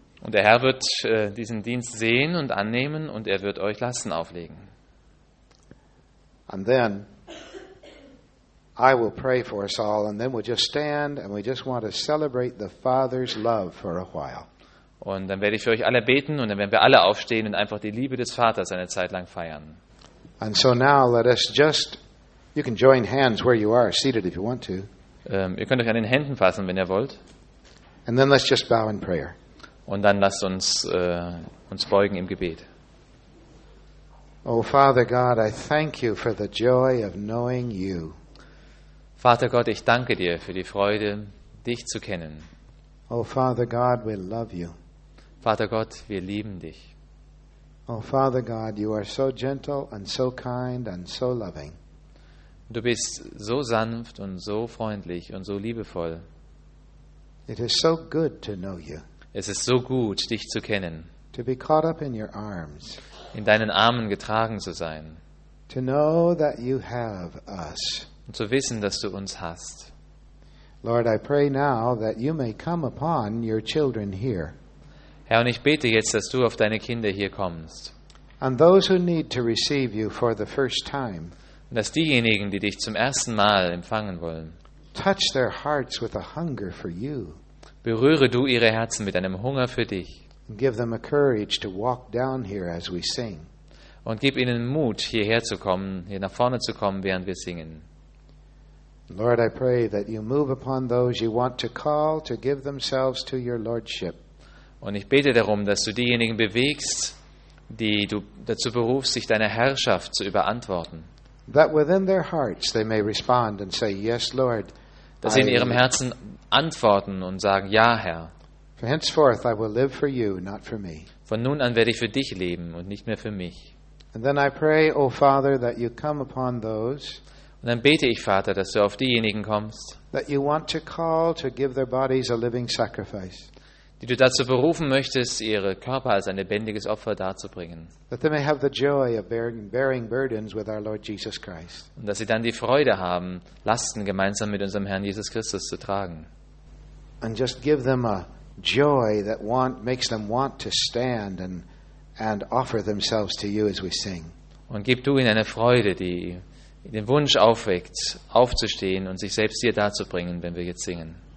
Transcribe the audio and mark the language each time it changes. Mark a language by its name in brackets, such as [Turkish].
[German] Und der Herr wird diesen Dienst sehen und annehmen, und er wird euch Lasten auflegen. [English] And then I will pray for us all, and then we'll just stand, and we just want to celebrate the Father's love for a while. [German] Und dann werde ich für euch alle beten, und dann werden wir alle aufstehen und einfach die Liebe des Vaters eine Zeit lang feiern. [English] And so now let us just, you can join hands where you are, seated if you want to. [German] Ihr könnt euch an den Händen fassen, wenn ihr wollt. [English] And then let's just bow in prayer. [German] Und dann lasst uns beugen im Gebet. [English] Oh Father God, I thank you for the joy of knowing you. [German] Vater Gott, ich danke dir für die Freude, dich zu kennen. [English] Oh Father God, we love you. [German] Vater Gott, wir lieben dich. [English] Oh Father God, you are so gentle and so kind and so loving. [German] Du bist so sanft und so freundlich und so liebevoll. [English] It is so good to know you. [German] Es ist so gut, dich zu kennen. [English] To be caught up in your arms. [German] In deinen Armen getragen zu sein. [English] To know that you have us. [German] Und zu wissen, dass du uns hast. [English] Lord, I pray now that you may come upon your children here. [German] Herr, und ich bete jetzt, dass du auf deine Kinder hier kommst. [English] And those who need to receive you for the first time. [German] Und dass diejenigen, die dich zum ersten Mal empfangen wollen. [English] Touch their hearts with a hunger for you. [German] Berühre du ihre Herzen mit einem Hunger für dich. [English] And give them a courage to walk down here as we sing. [German] Und gib ihnen Mut, hierher zu kommen, hier nach vorne zu kommen, während wir singen. [English] Lord, I pray that you move upon those you want to call to give themselves to your lordship. [German] Und ich bete darum, dass du diejenigen bewegst, die du dazu berufst, sich deiner Herrschaft zu überantworten. [English] That within their hearts they may respond and say, "Yes, Lord." [German] Dass sie in ihrem Herzen antworten und sagen, "Ja, Herr." [English] For henceforth I will live for you, not for me. [German] Von nun an werde ich für dich leben und nicht mehr für mich. [English] And then I pray, O Father, that you come upon those. [German] Und dann bete ich, Vater, dass du auf diejenigen kommst, die du dazu berufen möchtest, ihre Körper als ein lebendiges Opfer darzubringen. Und dass sie dann die Freude haben, Lasten gemeinsam mit unserem Herrn Jesus Christus zu tragen. [English] Und just give them a joy that makes them want to stand and offer themselves to you as we sing. [German] Und gib du ihnen eine Freude, die den Wunsch aufweckt, aufzustehen und sich selbst dir darzubringen, wenn wir jetzt singen.